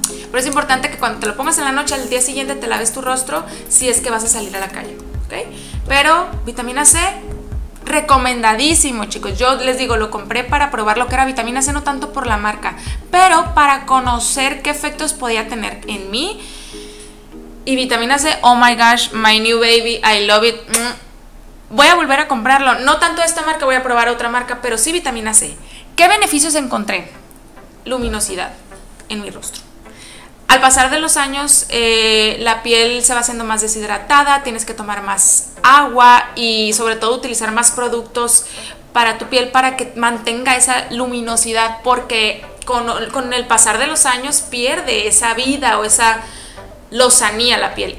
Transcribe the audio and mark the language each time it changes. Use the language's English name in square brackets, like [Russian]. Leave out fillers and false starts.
[Spanish] Pero es importante que cuando te lo pongas en la noche, al día siguiente te laves tu rostro si es que vas a salir a la calle, ¿ok? Pero vitamina C, recomendadísimo, chicos. Yo les digo, lo compré para probar lo que era vitamina C, no tanto por la marca, pero para conocer qué efectos podía tener en mí. Y vitamina C, [English] oh my gosh, my new baby, I love it. [Spanish] Voy a volver a comprarlo. No tanto esta marca, voy a probar otra marca, pero sí vitamina C. ¿Qué beneficios encontré? Luminosidad en mi rostro. Al pasar de los años, la piel se va haciendo más deshidratada, tienes que tomar más agua y sobre todo utilizar más productos para tu piel para que mantenga esa luminosidad, porque con el pasar de los años pierde esa vida o esa lozanía la piel.